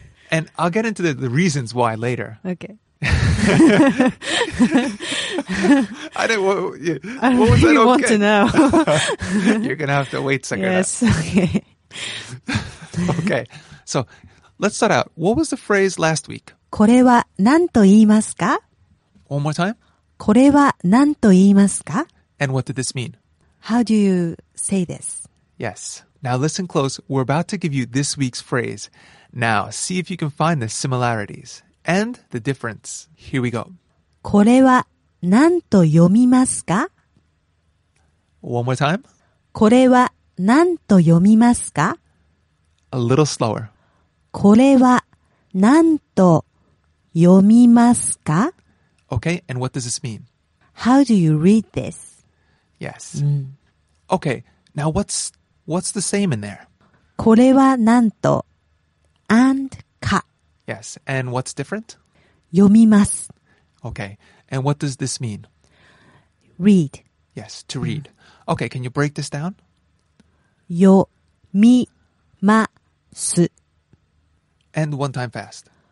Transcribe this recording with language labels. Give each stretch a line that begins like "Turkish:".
English: And I'll get into the reasons why later. Okay. I don't know what you want to know. You're going to have to wait a second. Yes, okay. Okay, so let's start out. What was the phrase last week?
Japanese: これは何と言いますか?
English: One more time.
Japanese: これは何と言いますか?
English: And what did this mean? How do you say this? Yes. Now listen close. We're about to give you this week's phrase. Now, see if you can find the similarities and the difference. Here we go.
Japanese: これは何と読みますか?
English: One more time.
Japanese: これは何と読みますか?
English: A little slower.
Japanese: これは何と読みますか?
English: Okay, and what does this mean? How do you read this? Yes. Okay, now what's the same in there?
Japanese: これはなんと and か
English: Yes, and what's different?
Japanese: 読みます
English: Okay, and what does this mean? Read Yes, to read Okay, can you break this down?
Japanese: 読みます
English: And one time fast